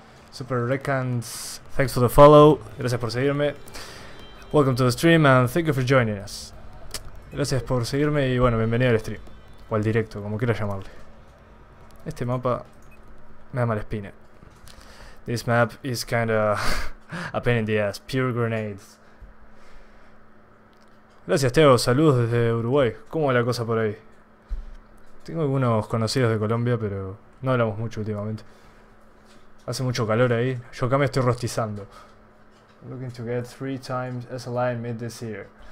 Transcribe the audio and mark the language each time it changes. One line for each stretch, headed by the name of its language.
English: Super Recans, thanks for the follow.
Spanish: Gracias por seguirme.
English: Welcome to the stream and thank you for joining us.
Spanish: Gracias por seguirme y bueno, bienvenido al stream. O al directo, como quieras llamarle. Este mapa me da mala espina.
English: This map is kinda a pain in the ass. Pure grenades.
Spanish: Gracias, Teo. Saludos desde Uruguay. ¿Cómo va la cosa por ahí? Tengo algunos conocidos de Colombia, pero no hablamos mucho últimamente. Hace mucho calor ahí. Yo acá me estoy rostizando.
English: Looking to get 3 times SLI mid this year.